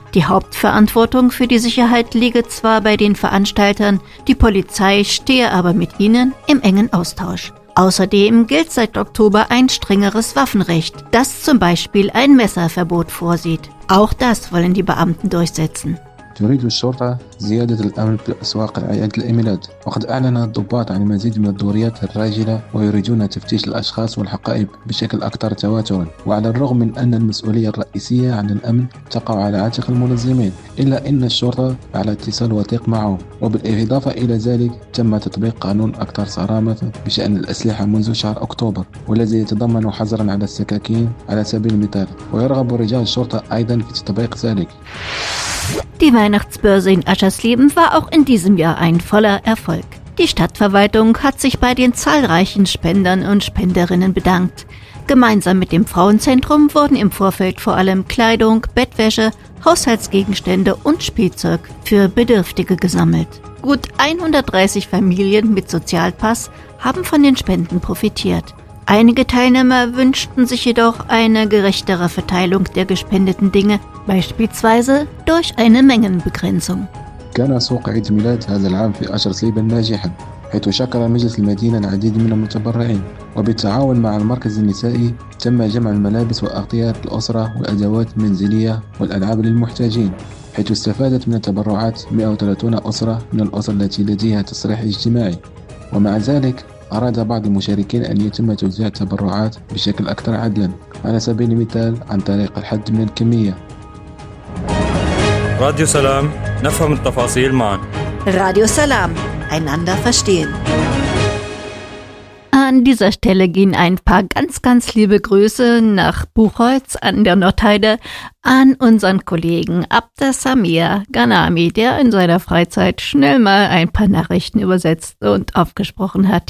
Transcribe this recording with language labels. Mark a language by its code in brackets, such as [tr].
[de] Die Hauptverantwortung für die Sicherheit liege zwar bei den Veranstaltern, die Polizei stehe aber mit ihnen im engen Austausch. Außerdem gilt seit Oktober ein strengeres Waffenrecht, das zum Beispiel ein Messerverbot vorsieht. Auch das wollen die Beamten durchsetzen. [ar] تريد الشرطة زيادة الأمن في أسواق العائلات الإيميلات وقد أعلن الضباط عن مزيد من الدوريات الراجلة ويريدون تفتيش الأشخاص والحقائب بشكل أكثر تواترا وعلى الرغم من أن المسؤولية الرئيسية عن الأمن تقع على عاتق المنظمين إلا أن الشرطة على اتصال وثيق معهم وبالإضافة إلى ذلك تم تطبيق قانون أكثر صرامة بشأن الأسلحة منذ شهر أكتوبر والذي يتضمن حظرا على السكاكين على سبيل المثال ويرغب رجال الشرطة أيضا في تطبيق ذلك. [de] Die Weihnachtsbörse in Aschersleben war auch in diesem Jahr ein voller Erfolg. Die Stadtverwaltung hat sich bei den zahlreichen Spendern und Spenderinnen bedankt. Gemeinsam mit dem Frauenzentrum wurden im Vorfeld vor allem Kleidung, Bettwäsche, Haushaltsgegenstände und Spielzeug für Bedürftige gesammelt. Gut 130 Familien mit Sozialpass haben von den Spenden profitiert. Einige Teilnehmer wünschten sich jedoch eine gerechtere Verteilung der gespendeten Dinge, beispielsweise durch eine Mengenbegrenzung. [ar] كان سوق عيد ميلاد هذا العام في أشرسليب ناجحا حيث شكر مجلس المدينة العديد من المتبرعين وبالتعاون مع المركز النسائي تم جمع الملابس وأغطية الأسرة والأدوات المنزلية والألعاب للمحتاجين حيث استفادت من التبرعات 130 أسرة من الأسر التي لديها تصريح اجتماعي ومع ذلك أراد بعض المشاركين أن يتم توزيع التبرعات بشكل أكثر عدلا على سبيل المثال عن طريق الحد من الكمية. راديو سلام نفهم التفاصيل معا. [de] راديو سلام einander verstehen. An dieser Stelle gehen ein paar ganz, ganz liebe Grüße nach Buchholz an der Nordheide an unseren Kollegen Abdesamir Ghanami, der in seiner Freizeit schnell mal ein paar Nachrichten übersetzt und aufgesprochen hat.